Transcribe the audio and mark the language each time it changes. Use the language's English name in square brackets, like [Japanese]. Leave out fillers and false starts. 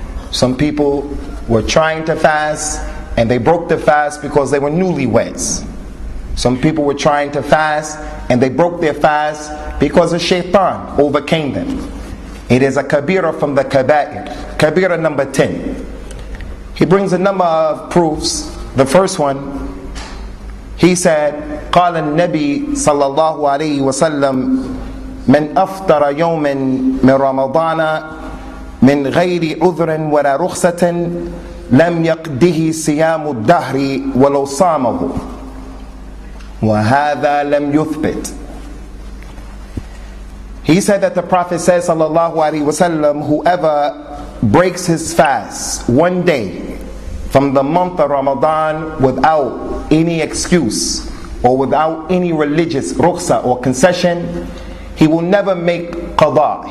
[English] Some people were trying to fast, and they broke the fast because they were newlyweds. Some people were trying to fast, and they broke their fast because the shaitan overcame them. It is a kabira from the kabair, kabira number 10. He brings a number of proofs. [Arabic] The first one, he said, قال النبي صلى الله عليه وسلم من أفطر يوما من رمضان من غير عذر ولا رخصة لم يقده صيام الدهر ولو صامه وهذا لم يثبت. [English] He said that the Prophet says [Arabic] صلى الله عليه وسلم, [English] whoever breaks his fast one day from the month of Ramadan without any excuse or without any religious rukhsa or concession, he will never make qada.